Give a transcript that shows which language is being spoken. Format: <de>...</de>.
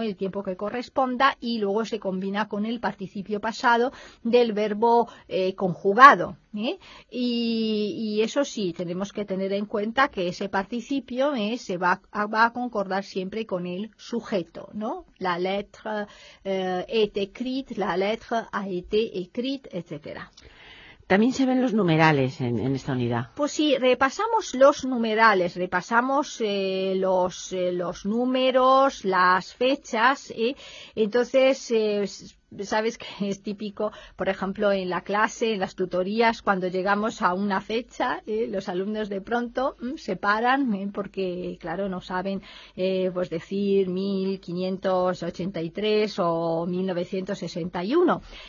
<es>El tiempo que corresponda y luego se combina con el participio pasado del verbo conjugado. Y eso sí, tenemos que tener en cuenta que ese participio se va a concordar siempre con el sujeto, ¿no?</es> <fr>La lettre est écrite, la lettre a été écrite, etc.</fr> <es>También se ven los numerales en esta unidad. Pues sí, repasamos los numerales, repasamos los números, las fechas. Entonces, sabes que es típico, por ejemplo, en la clase, en las tutorías, cuando llegamos a una fecha, los alumnos de pronto se paran porque, claro, no saben pues decir 1583 o 1961.</es>